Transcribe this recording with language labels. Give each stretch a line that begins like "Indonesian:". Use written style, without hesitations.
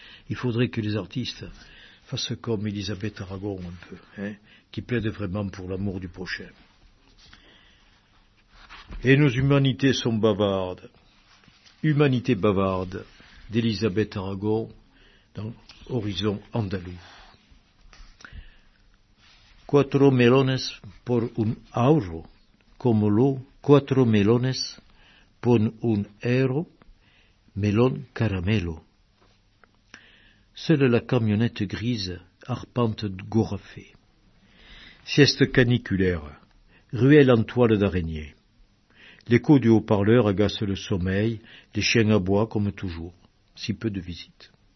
French: Il faudrait que les artistes fassent comme Elisabeth Aragon un peu, hein, qui plaide vraiment pour l'amour du prochain. Et nos humanités sont bavardes. Humanité bavarde d'Elisabeth Aragon dans Horizon Andalou.
Spanish: Cuatro melones por un euro, como lo cuatro melones por un euro, melón caramelo.
French: Seule la camionnette grise arpente gorafée. Sieste caniculaire, ruelle en toile d'araignée. L'écho du haut-parleur agace le sommeil, les chiens aboient comme toujours, si peu de visites.